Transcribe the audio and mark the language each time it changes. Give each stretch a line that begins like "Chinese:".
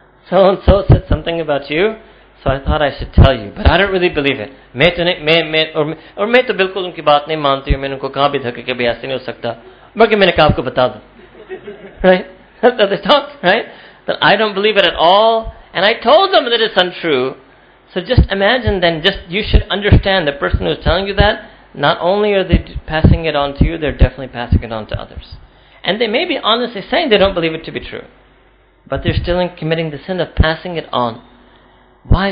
English: So and so said something about you, so I thought I should tell you, but I don't really believe it.
Hindi: मैं तो बिल्कुल उनकी बात नहीं मानती हूँ, मैंने उनको कहा भी था कि कभी ऐसे नहीं हो सकता, बाकी मैंने कहा आपको बता दूँ.
English: Right? That they talk, right? That I don't believe it at all, and I told them that it's untrue. So just imagine then, just you should understand the person who's telling you that, not only are they passing it on to you, they're definitely passing it on to others. And they may be honestly saying they don't believe it to be true, but they're still committing the sin of passing it on. Why?